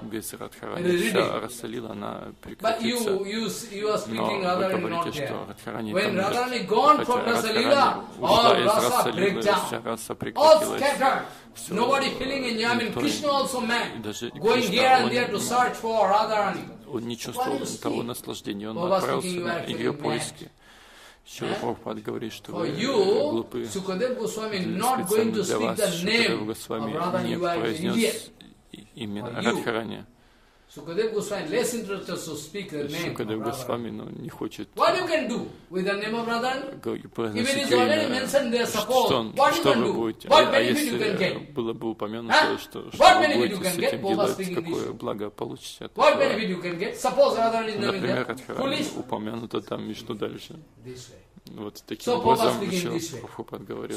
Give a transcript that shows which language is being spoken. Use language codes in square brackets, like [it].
[ru] без Радхарани вся Расалила, она прекратится. Но вы говорите, что Радхарани там нет. Хотя Радхарани ушла из Расалилы, вся Раса прекратилась. [en] Nobody feeling in you. I mean, Krishna also mad. Going here and there to search for Radharani. [ru] Он не чувствовал того наслаждения, он отправился на ее поиски. Шрила Прабхупада говорит, что вы глупы. Специально для вас Шрила Госвами не произнес имя Радхарани. [en] Sukadev Goswami less interested to speak the name. [ru] Sukadev Goswami, но не хочет. [en] What you can do with the name of Radharani? Even if it's already mentioned there, suppose. What you can do? What benefit you can get? [ru] Было бы упомянуто, что что вы будете с этим делать, какое благо получите. [en] What benefit you can get? Suppose Radharani is named there. [ru] Например, упомянуто там и что дальше? Вот таким образом еще Прабхупад говорил.